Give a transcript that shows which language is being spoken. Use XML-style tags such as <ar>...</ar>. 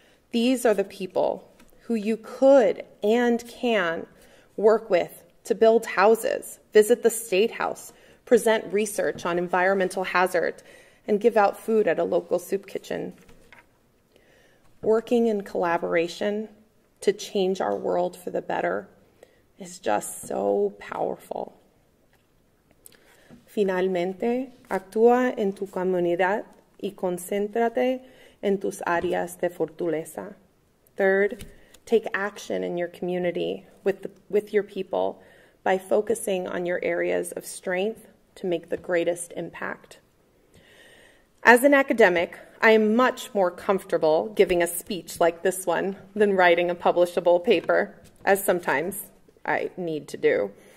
<en>These are the people who you could and can work with to build houses, visit the state house, present research on environmental hazard, and give out food at a local soup kitchen. Working in collaboration to change our world for the better is just so powerful.</en> <es>Finalmente, actúa en tu comunidad y concéntrate en tus áreas de fortaleza.</es> <en>Third, take action in your community with your people by focusing on your areas of strength to make the greatest impact. As an academic, I am much more comfortable giving a speech like this one than writing a publishable paper, as sometimes I need to do.</en>